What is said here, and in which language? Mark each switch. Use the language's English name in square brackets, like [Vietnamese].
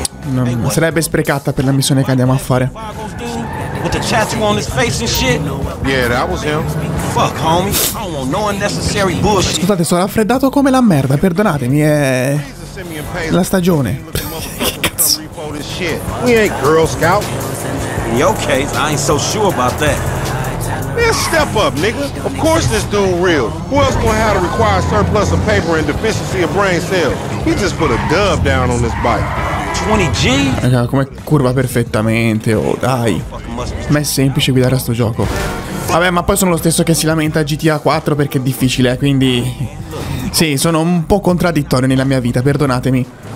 [Italian] non, sarebbe sprecata per la missione che andiamo a fare. [English] With the tattoo on his face and shit. Yeah, that was him. Fuck, homie. I don't want no unnecessary bullshit. [Italian] Scusate, sono raffreddato come la merda, perdonatemi, è la stagione. [English] We ain't Girl Scout. In your case, I ain't so sure about that. Man, step up, nigga. Of course this dude real. Who else gonna have a required surplus of paper and deficiency of brain cells? He just put a dub down on this bike. 20G? [Italian] Raga, come curva perfettamente. Oh, dai. Ma è semplice guidare a sto gioco. Vabbè, ma poi sono lo stesso che si lamenta a GTA 4 perché è difficile, quindi... sì, sono un po' contraddittorio nella mia vita, perdonatemi.